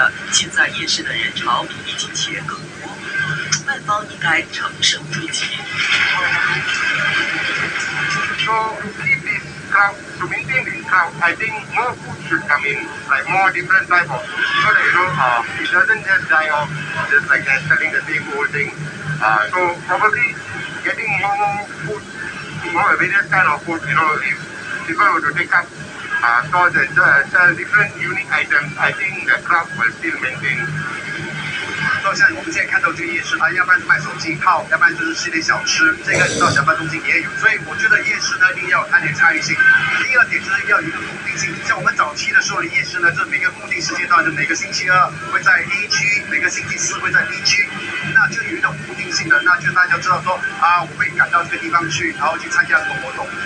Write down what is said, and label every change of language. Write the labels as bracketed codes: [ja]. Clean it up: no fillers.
[zh] 现在夜市的人潮比疫情前更多，主办方应该乘胜追击。 [en] So to keep this crowd, to maintain this crowd, I think more food should come in, like more different type of, so that you know, it doesn't just die off, just like selling the same old thing. So probably getting more food, more various kind of food, you know, if people were to take up. Sell different unique items, I think the crowd will still maintain. [zh] So, 像我们现在看到这个夜市，啊，要不然卖手机套，要不然就是系列小吃，这个到小贩中心也有。所以我觉得夜市呢，一定要有它的差异性。第二点就是要有一个固定性。像我们早期的时候的夜市呢，就每个固定时间段，就每个星期二会在 A 区，每个星期四会在 B 区，那就有一种固定性的，那就大家知道说啊，我会赶到这个地方去，然后去参加这个活动。